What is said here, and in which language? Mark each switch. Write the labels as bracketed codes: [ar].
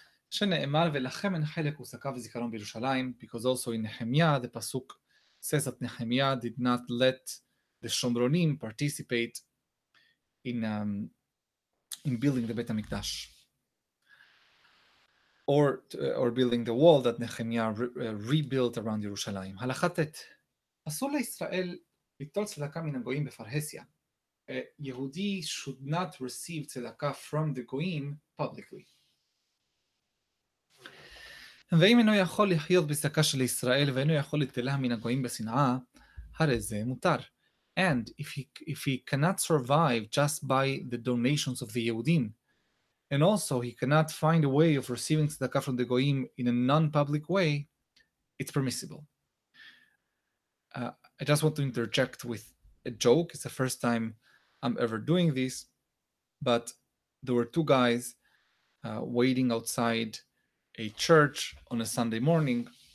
[he] שנאמר ולכם אין חלק וסקה וזיכרון בירושלים, [en] because also in Nehemiah, the pasuk says that Nehemiah did not let the Shomronim participate in building the Bet HaMikdash, or building the wall that Nehemiah rebuilt around Yerushalayim. [he] הלכת את, אסור לישראל ליטול צדקה מן הגויים בפרהסיה. [en] A יהודי should not receive צדקה from the goyim publicly. [he] ואם אינו יכול לחיות בסקה של ישראל ואינו יכול לתלה מן הגויים בשנאה, הרי זה מותר. [en] And if he cannot survive just by the donations of the Yehudim, and also he cannot find a way of receiving tzedakah from the goyim in a non-public way, it's permissible. I just want to interject with a joke. It's the first time I'm ever doing this, but there were two guys waiting outside a church on a Sunday morning.